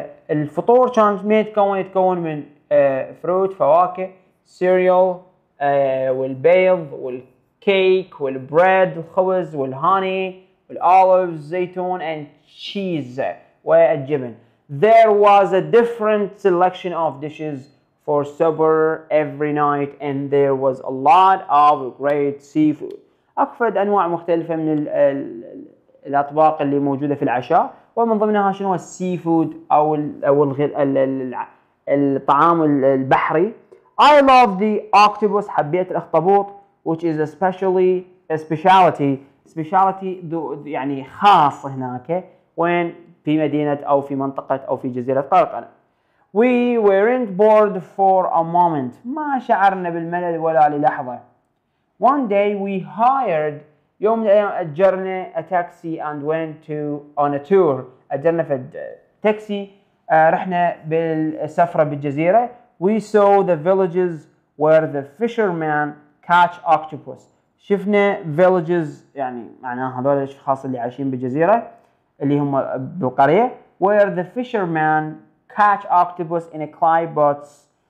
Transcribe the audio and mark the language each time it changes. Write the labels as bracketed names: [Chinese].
[Arabic] الفطور كان يتكون من fruit فواكه, cereal والبيض وال cake والبريد والخبز والهاني والأوليف زيتون [English] and cheese [Arabic] والجبن. [English] There was a different selection of dishes for supper every night and there was a lot of great seafood. [Arabic] أكفد أنواع مختلفة من الأطباق اللي موجودة في العشاء ومن ضمنها شنو السيفود أو الطعام البحري. [English] I love the octopus [Arabic] حبيت الأخطبوط [English] which is especially a specialty [Arabic] يعني خاص هناك وين في مدينة أو في منطقة أو في جزيرة قرقنة. [English] We weren't bored for a moment [Arabic] ما شعرنا بالملل ولا للحظة. [English] One day we hired [Arabic] يوم أجرنا [English] a taxi and went to on a tour [Arabic] أجرنا في التاكسي رحنا بالسفرة بالجزيرة. [English] We saw the villages where the fishermen catch octopus. [Arabic] شفنا villages يعني معناها هذول الأشخاص اللي عايشين بالجزيرة اللي هم بالقرية [English] where the fishermen catch octopus in a clay boats.